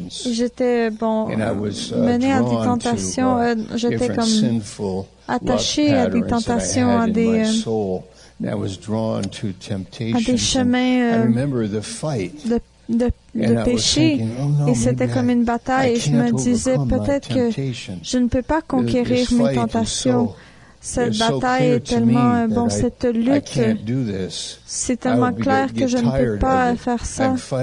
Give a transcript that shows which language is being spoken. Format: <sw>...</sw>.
<fr>J'étais bon, mené à des tentations. J'étais comme attaché à des tentations, à des.</fr> <en>I was drawn to temptation.</en> <fr>À des chemins,</fr> <en>I remember the fight.</en> <fr>De de péché. Et c'était comme une bataille. Je me disais, peut-être que je ne peux pas conquérir mes tentations. Cette bataille est tellement, bon, cette lutte, c'est tellement clair que je ne peux pas faire ça.</fr>